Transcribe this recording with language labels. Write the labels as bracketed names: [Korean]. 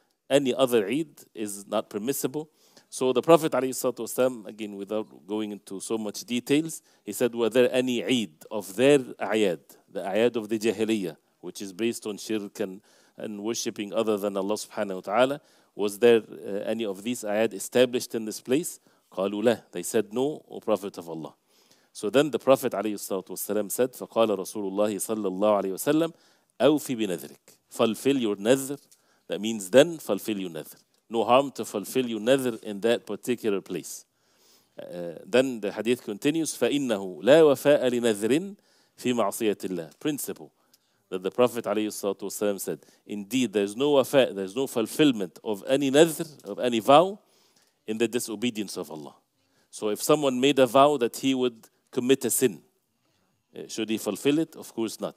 [English] Any other Eid is not permissible. So the Prophet عليه الصلاة والسلام, again without going into so much details, he said, were there any Eid of their Ayad, the Ayad of the Jahiliyyah, which is based on shirk and worshipping other than Allah subhanahu wa ta'ala, was there any of these Ayad established in this place? [Arabic] قالوا لا. [English] They said, no, O Prophet of Allah. So then the Prophet [Arabic] عليه الصلاة والسلام said, فقال رسول الله صلى الله عليه وسلم, أوفي بنذرك, [English] fulfill your nadhr. That means then, fulfill your nadhr. No harm to fulfill your nadhr in that particular place. Then the hadith continues, [Arabic] فَإِنَّهُ لَا وَفَاءَ لِنَذْرٍ فِي مَعْصِيَةِ اللَّهِ. [English] Principle that the Prophet ﷺ said, indeed, there's no wafa, there's no fulfillment of any nadhr, of any vow, in the disobedience of Allah. So if someone made a vow that he would commit a sin, should he fulfill it? Of course not.